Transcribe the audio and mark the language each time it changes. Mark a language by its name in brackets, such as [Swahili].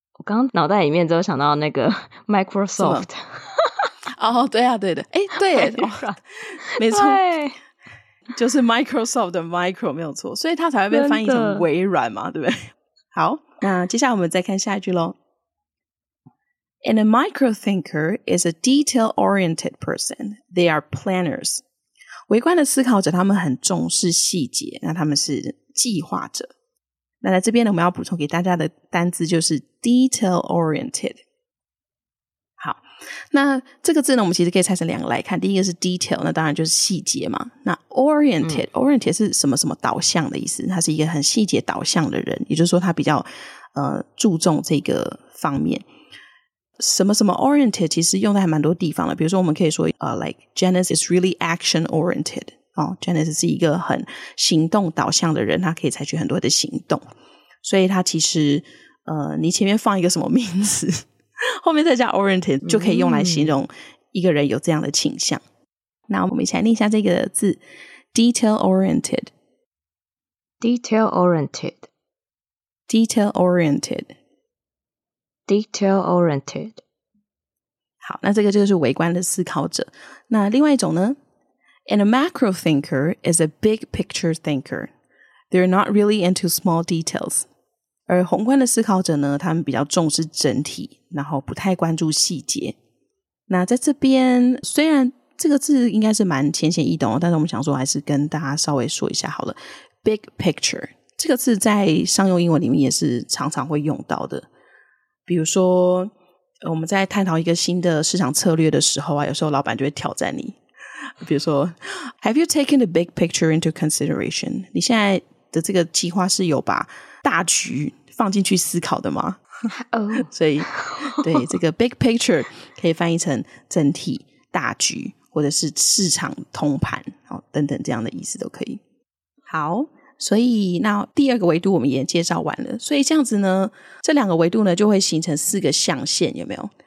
[Chinese] 我刚脑袋里面只有想到那个 Microsoft。哦，对啊，对的。诶，对耶，没错。就是 Microsoft 的 micro 没有错，所以它才会被翻译成微软嘛，对不对？好，那接下来我们再看下一句咯。 [English] And a micro thinker is a detail-oriented person. They are planners. [Chinese] 微观的思考者，他们很重视细节，那他们是计划者。那在这边呢，我们要补充给大家的单字就是 detail oriented。好，那这个字呢，我们其实可以拆成两个来看。第一个是 detail， 那当然就是细节嘛。那 oriented、oriented 是什么什么导向的意思，他是一个很细节导向的人，也就是说他比较注重这个方面。什么什么 oriented 其实用在还蛮多地方的，比如说我们可以说 [English] like Janice is really action oriented、 [Chinese] Janice 是一个很行动导向的人，他可以采取很多的行动，所以他其实你前面放一个什么名词，后面再加 oriented 就可以用来形容一个人有这样的倾向。那我们一起来念一下这个字： detail oriented [English] detail oriented detail oriented, detail-oriented. Detail-oriented. [Chinese] 好，那这个就是微观的思考者。那另外一种呢？ [English] And a macro thinker is a big picture thinker. They're not really into small details. [Chinese] 而宏观的思考者呢，他们比较重视整体，然后不太关注细节。那在这边，虽然这个字应该是蛮浅显易懂，但是我们想说还是跟大家稍微说一下好了。 Big picture 这个字在商用英文里面也是常常会用到的。比如说我们在探讨一个新的市场策略的时候啊，有时候老板就会挑战你。比如说 [English] Have you taken the big picture into consideration? [Chinese] 你现在的这个计划是有把大局放进去思考的吗？所以对这个 big picture 可以翻译成整体大局或者是市场通盘等等这样的意思都可以。好，所以那第二个维度我们也介绍完了，所以这样子呢，这两个维度呢就会形成四个象限，有没有？